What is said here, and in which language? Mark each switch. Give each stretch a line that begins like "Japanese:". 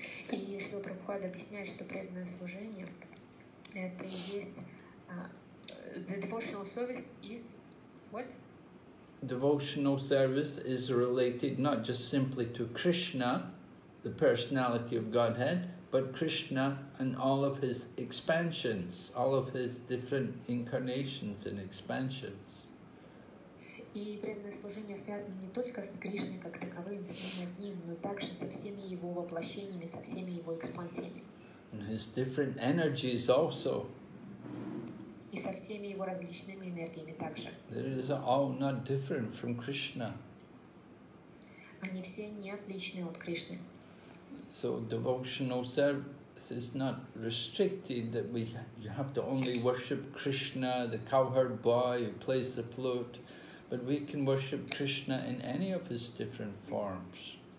Russian: И Srila Prabhupada объясняет, что преданное служение это и есть
English: the devotional service is what? Devotional service is related not just simply to Krishna, the personality of Godhead, but Krishna and all of his expansions, all of his different incarnations and expansions.
Russian: И преданное служение связано не только с Кришной как таковым, с ним одним, но также со всеми его воплощениями, со всеми его экспансиями.
English: And his different energies also.
Russian: И со всеми его различными энергиями также.
English: It is all not different from Krishna.
Russian: Они все не отличны от Кришны.
English: So devotional service is not restricted that we you have to only worship Krishna, the cowherd boy who plays the flute, but we can worship Krishna in any of his different forms.